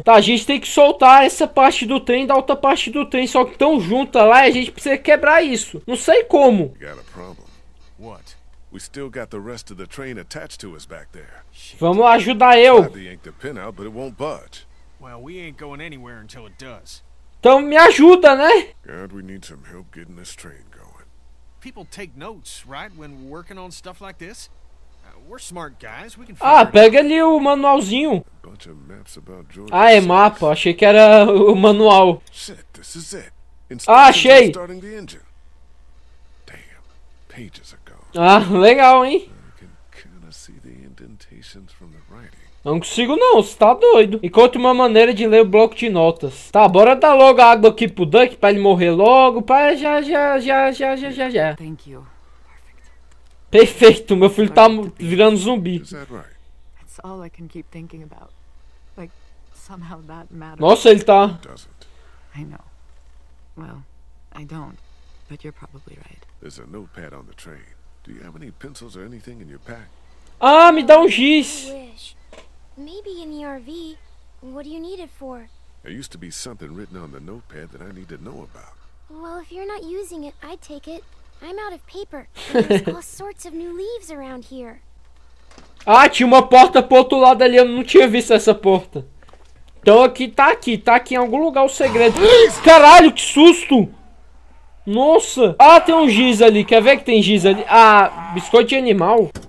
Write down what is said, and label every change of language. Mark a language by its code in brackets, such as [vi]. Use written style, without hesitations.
[pt] Tá, a gente tem que soltar essa parte do trem da outra parte do trem. Só que tão junta lá e a gente precisa quebrar isso. Não sei como. [en] What? We still got the rest of the train attached to us back there. [pt] Vamos ajudar eu. [en] Well, we ain't going anywhere until it does. [pt] Então me ajuda, né? [en] God, we need some help getting this train going. People take notes, right, when working on stuff like this? We're smart guys, we can. [pt] Ah, pega ali o manualzinho. [en] Bunch of maps about [pt] Georgia. Ah, é mapa. Achei que era o manual. [en] Shit, this is it. [pt] Ah, achei. [en] Starting the engine. Pages ago. [pt] Ah, legal, hein? [en] I can kinda see the indentations from the writing. [pt] Não consigo não, você tá doido. Encontre uma maneira de ler o bloco de notas. Tá, bora dar logo a água aqui pro Duck pra ele morrer logo. Pra já. [en] Thank you. Perfect. [pt] Perfeito, meu filho tá virando zumbi. [en] That's all I can keep thinking about. Like, somehow that matters. [pt] Nossa, ele tá. [en] I know. Well, I don't. But you're probably right. There's a notepad on the train. Do you have any pencils or anything in your pack? [pt] Ah, me dá um giz. [en] Maybe in the RV. What do you need it for? There used to be something written on the notepad that I need to know about. Well, if you're not using it, I'd take it. I'm out of paper. There's all sorts of new leaves around here. [pt] Ah, tinha uma porta pro outro lado ali. Eu não tinha visto essa porta. Então aqui, tá aqui em algum lugar o segredo. Caralho, que susto! Nossa! Ah, tem um giz ali, quer ver que tem giz ali? Ah, biscoito de animal.